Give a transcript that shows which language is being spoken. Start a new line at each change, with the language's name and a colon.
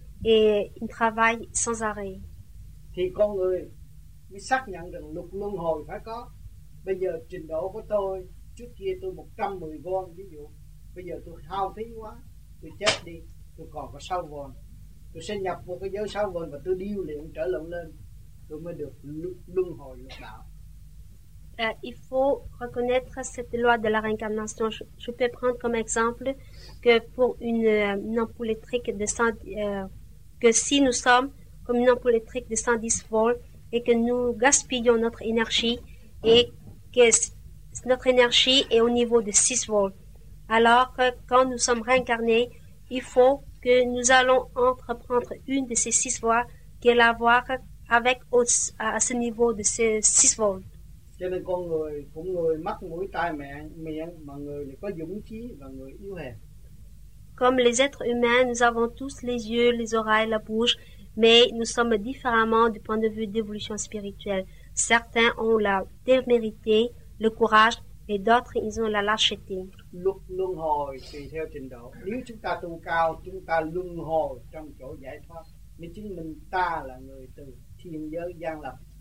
French: Et il travaille sans arrêt.
Vietnamese: Thì con người mới xác nhận rằng luật luân hồi phải có. Bây giờ trình độ của tôi, trước kia tôi 110 von ví dụ, bây giờ tôi hao phí quá, tôi chết đi, tôi còn có 6 von. Tôi sẽ nhập vào cái giới 6 von và tôi điêu luyện trở lên, tôi mới được luân hồi lục đạo.
French: Il faut reconnaître cette loi de la réincarnation. Je peux prendre comme exemple que pour une ampoule électrique de 100, que si nous sommes comme une ampoule électrique de 110 volts et que nous gaspillons notre énergie et que notre énergie est au niveau de 6 volts, alors quand nous sommes réincarnés, il faut que nous allons entreprendre une de ces 6 voies qui est la voie avec à ce niveau de ces 6 volts.
Vietnamese: Cho nên con người cũng người mắt mũi tai miệng mà người lại có dũng trí và người yếu hèn.
French: Comme les êtres humains, nous avons tous les yeux, les oreilles, la bouche, mais nous sommes différemment du point de vue d'évolution spirituelle. Certains ont la témérité, le courage, et d'autres ils ont la lâcheté.
Vietnamese: Luân hồi tùy theo trình độ. Nếu chúng ta tu cao, chúng ta luân hồi trong chỗ giải thoát. Nếu chính mình ta là người từ thiên giới giang lập.